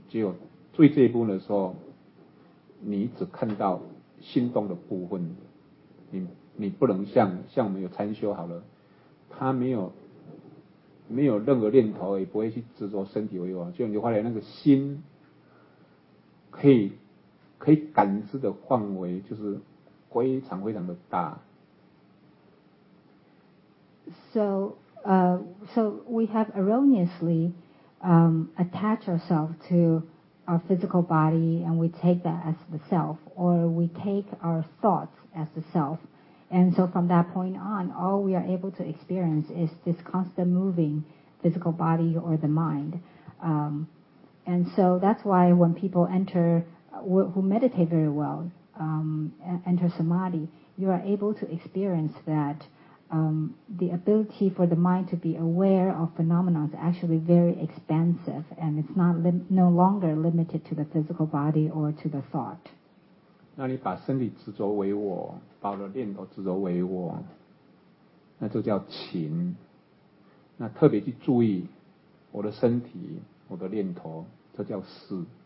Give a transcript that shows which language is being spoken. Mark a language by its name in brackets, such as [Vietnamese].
[Chinese] 只有注意这一部分的时候，你只看到心动的部分，你不能像我们有禅修好了，他没有任何念头，也不会去执着身体为我，就你后来那个心。可以感知的范围就是非常非常的大。 [English] So we have erroneously attached ourselves to our physical body, and we take that as the self, or we take our thoughts as the self. And so from that point on, all we are able to experience is this constant moving physical body or the mind. And so that's why when people enter, who meditate very well, enter samadhi, you are able to experience that the ability for the mind to be aware of phenomena is actually very expansive, and it's not no longer limited to the physical body or to the thought. [Chinese] 那你把身体执着为我，把我的念头执着为我，那就叫情。那特别去注意我的身体。我的念头，这叫事。